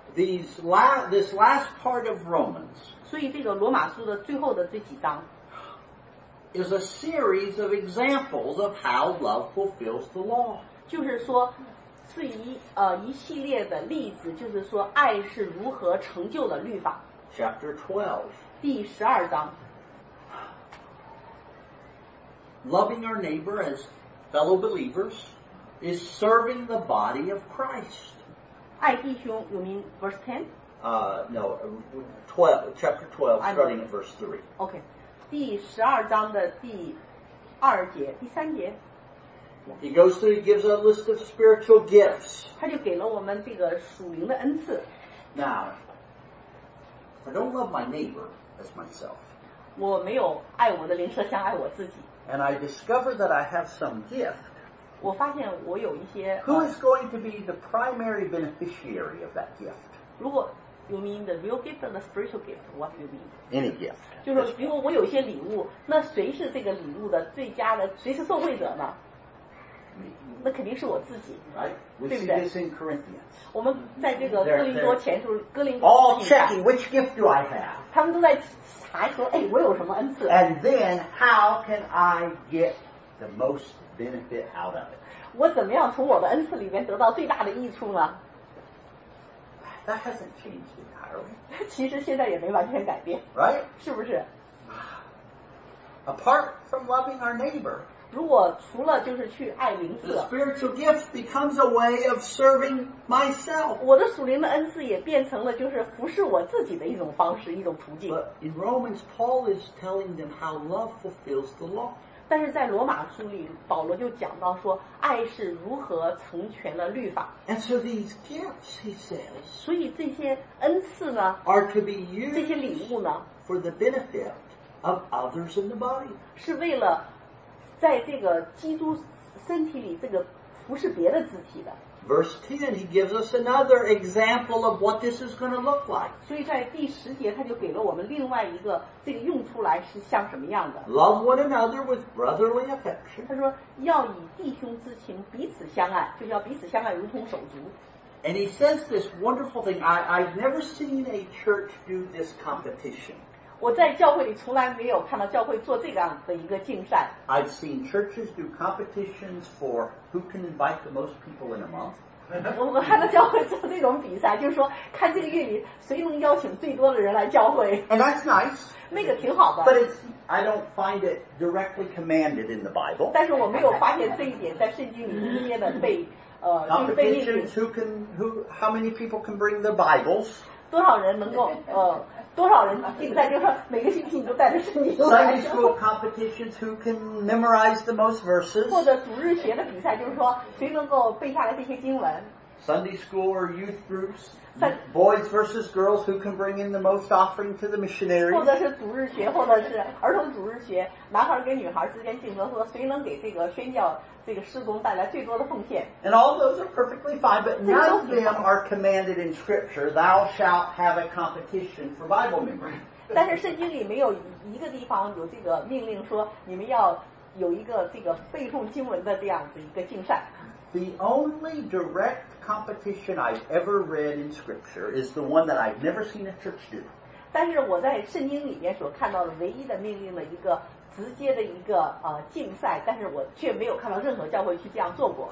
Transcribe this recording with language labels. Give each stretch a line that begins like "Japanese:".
Chinese: 这个就把这一切都总结出来了。
English: This last part of Romans
Chinese: 所以这个罗马书的最后的这几章
English: is a series of examples of how love fulfills the law.
Chinese: 就是说是一系列的例子 就是说爱是如何成就了律法。
English: Chapter 12
Chinese: 第12章
English: Loving our neighbor as fellow believers is serving the body of Christ.
Chinese: 爱弟兄,
English: you mean verse 10? No, 12, chapter 12, starting at verse 3.
Chinese: Okay. 第12章的第2节,第3节。
English: He goes through, he gives a list of spiritual gifts.
Chinese: 他就给了我们这个属灵的恩赐。
English: Now, I don't love my neighbor as myself.
Chinese: 我没有爱我的邻舍像爱我自己。
English: And I discover that I have some gift.
Chinese: 我发现我有一些,
English: who is going to be the primary beneficiary of that gift? 如果, you mean the real gift or the spiritual gift? What do you mean? Any gift.
Chinese: 就是如果我有些礼物, 那谁是这个礼物的最佳的, 谁是受惠者呢? me. 那肯定是我自己。
English: Right? We see this in Corinthians.
Chinese: 我们在这个哥林多前书，哥林多。
English: All checking which gift do I have?
Chinese: 他们都在查说，哎，我有什么恩赐
English: ？And then how can I get the most benefit out of it?
Chinese: 我怎么样从我的恩赐里面得到最大的益处呢？
English: That hasn't changed entirely.
Chinese: 其实现在也没完全改变
English: ，right?
Chinese: 是不是
English: ？Apart from loving our neighbor,
Chinese: 如果除了就是去爱邻舍
English: ，the spiritual gift becomes a way of serving myself.
Chinese: 我的属灵的恩赐也变成了就是服侍我自己的一种方式，一种途径。
English: But in Romans, Paul is telling them how love fulfills the law.
Chinese: 但是在罗马书里，保罗就讲到说，爱是如何成全了律法。
English: And so these gifts, he says,
Chinese: 所以这些恩赐呢
English: ，are to be used,
Chinese: 这些礼物呢
English: ，for the benefit of others in the body,
Chinese: 是为了在这个基督身体里这个服侍别的肢体的。
English: Verse 10, he gives us another example of what this is going to look like.
Chinese: 所以在第十节他就给了我们另外一个这个用出来是像什么样的。
English: Love one another with brotherly affection.
Chinese: 他说要以弟兄之情彼此相爱，就要彼此相爱如同手足。
English: And he says this wonderful thing. I've never seen a church do this competition.
Chinese: 我在教会里从来没有看到教会做这样的一个竞赛。
English: I've seen churches do competitions for who can invite the most people in a month.
Chinese: 我看到教会做这种比赛，就是说看这个月里谁能邀请最多的人来教会。
English: And that's nice.
Chinese: 那个挺好的。
English: But I don't find it directly commanded in the Bible.
Chinese: 但是我没有发现这一点在圣经里直接的被
English: competitions how many people can bring their Bibles?
Chinese: 多少人能够多少人竞赛，就是说每个星期你都带着圣经。
English: Sunday school competitions, who can memorize the most verses?
Chinese: 或者主日学的比赛，就是说谁能够背下来这些经文。
English: Sunday school or youth groups, boys versus girls, who can bring in the most offering to the missionaries?
Chinese: 或者是主日学，或者是儿童主日学，男孩跟女孩之间竞争，说谁能给这个宣教这个施工带来最多的奉献。
English: And all those are perfectly fine, but none of them are commanded in Scripture. Thou shalt have a competition for Bible memory.
Chinese: 但是圣经里没有一个地方有这个命令说你们要有一个这个背诵经文的这样子一个竞赛。
English: The only direct competition I've ever read in Scripture is the one that I've never seen a church do.
Chinese: 但是我在圣经里面所看到的唯一的命令的一个直接的一个竞赛，但是我却没有看到任何教会去这样做过。